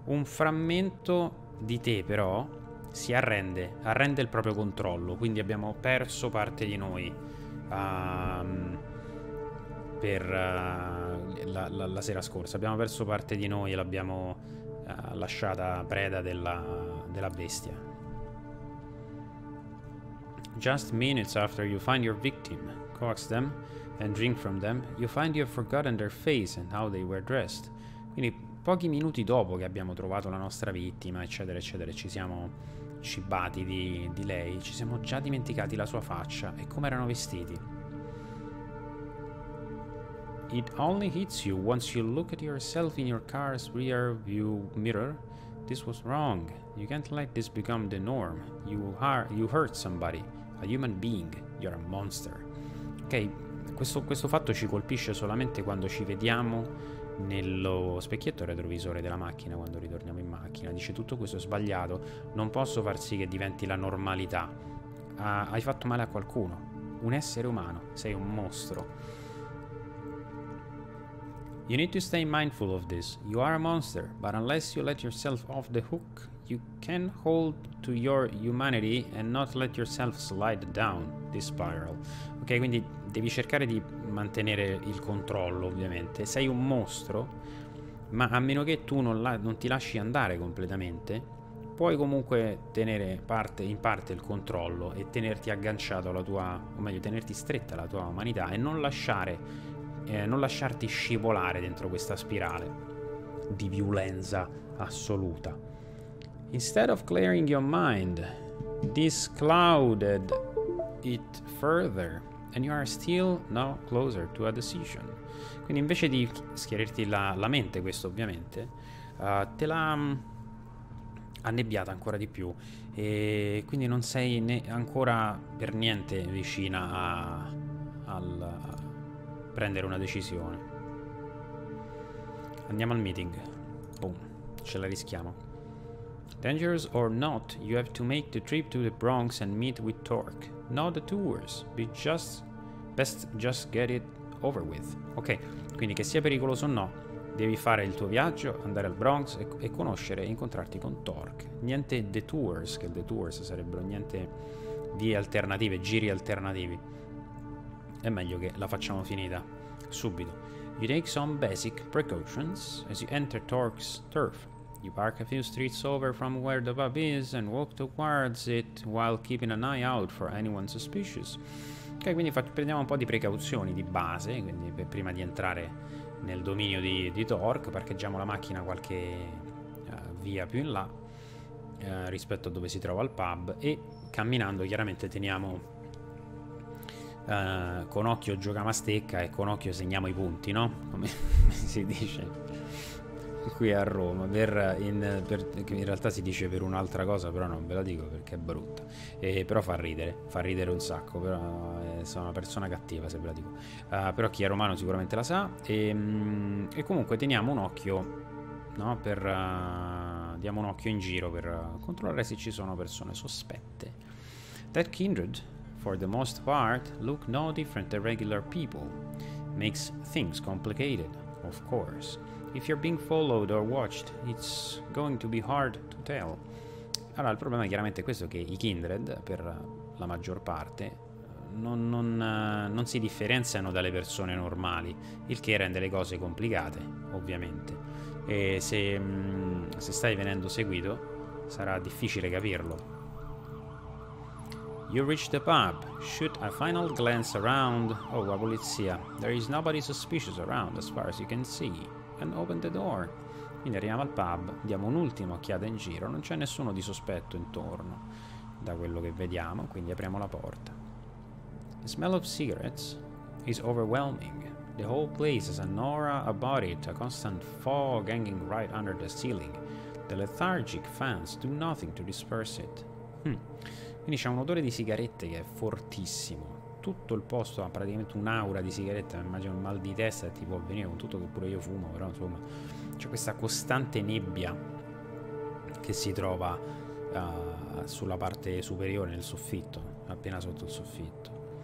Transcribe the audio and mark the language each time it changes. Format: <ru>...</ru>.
<it>Un frammento di te, però, si arrende, arrende il proprio controllo, quindi abbiamo perso parte di noi, per la sera scorsa. Abbiamo perso parte di noi e l'abbiamo lasciata preda della bestia.</it> <en>Just minutes after you find your victim, coax them and drink from them, you find you have forgotten their face and how they were dressed.</en> <it>Quindi pochi minuti dopo che abbiamo trovato la nostra vittima, eccetera, eccetera, ci siamo cibati di lei, ci siamo già dimenticati la sua faccia e come erano vestiti.</it> <en>It only hits you once you look at yourself in your car's rear view mirror. This was wrong. You can't let this become the norm. You hurt somebody, a human being. You're a monster.</en> <it>Ok, questo fatto ci colpisce solamente quando ci vediamo nello specchietto retrovisore della macchina, quando ritorniamo in macchina. Dice: tutto questo è sbagliato. Non posso far sì che diventi la normalità. Hai fatto male a qualcuno. Un essere umano. Sei un mostro.</it> <en>You need to stay mindful of this. You are a monster, but unless you let yourself off the hook, you can hold to your humanity and not let yourself slide down the spiral.</en> <it>Ok, quindi devi cercare di mantenere il controllo, ovviamente. Sei un mostro, ma a meno che tu non ti lasci andare completamente, puoi comunque tenere in parte il controllo e tenerti agganciato alla tua, o meglio, tenerti stretta alla tua umanità e non lasciarti scivolare dentro questa spirale di violenza assoluta.</it> <en>Instead of clearing your mind, this clouded it further, and you are still no closer to a decision.</en> <it>Quindi invece di schiarirti la mente, questo ovviamente, te l'ha annebbiata ancora di più, e quindi non sei né ancora per niente vicina a prendere una decisione. Andiamo al meeting. Boom, ce la rischiamo.</it> <en>Dangerous or not, you have to make the trip to the Bronx and meet with Torque. No detours, best just get it over with.</en> <it>Ok, quindi che sia pericoloso o no, devi fare il tuo viaggio, andare al Bronx e conoscere e incontrarti con Torque. Niente detours, che detours sarebbero niente vie alternative, giri alternativi. È meglio che la facciamo finita subito.</it> <en>You take some basic precautions as you enter Torque's turf. You park a few streets over from where the pub is and walk towards it while keeping an eye out for anyone suspicious.</en> <it>Ok, quindi prendiamo un po' di precauzioni di base, quindi prima di entrare nel dominio di Torque, parcheggiamo la macchina qualche via più in là rispetto a dove si trova il pub e camminando chiaramente teniamo con occhio giocamastecca e con occhio segniamo i punti, no? Come si dice qui a Roma. Che in realtà si dice per un'altra cosa, però non ve la dico perché è brutta. Però fa ridere un sacco. Però, sono una persona cattiva se ve la dico. Però chi è romano sicuramente la sa. E comunque teniamo un occhio, no? Diamo un occhio in giro per controllare se ci sono persone sospette.</it> <en>That kindred, for the most part, look no different than regular people. Makes things complicated, of course. If you're being followed or watched, it's going to be hard to tell.</en> <it>Allora, il problema è chiaramente questo, che i kindred, per la maggior parte, non si differenziano dalle persone normali, il che rende le cose complicate, ovviamente. E se stai venendo seguito, sarà difficile capirlo.</it> <en>You reach the pub, shoot a final glance around.</en> <it>Oh, la polizia.</it> <en>There is nobody suspicious around, as far as you can see. And open the door.</en> <it>Quindi arriviamo al pub, diamo un'ultima occhiata in giro, non c'è nessuno di sospetto intorno da quello che vediamo, quindi apriamo la porta.</it> <en>The smell of cigarettes is overwhelming. The whole place is an aura about it, a constant fog hanging right under the ceiling. The lethargic fans do nothing to disperse it.</en> <it>Quindi c'è un odore di sigarette che è fortissimo. Tutto il posto ha praticamente un'aura di sigaretta, immagino un mal di testa ti può venire con tutto che pure io fumo, però insomma c'è questa costante nebbia che si trova sulla parte superiore, nel soffitto, appena sotto il soffitto.</it>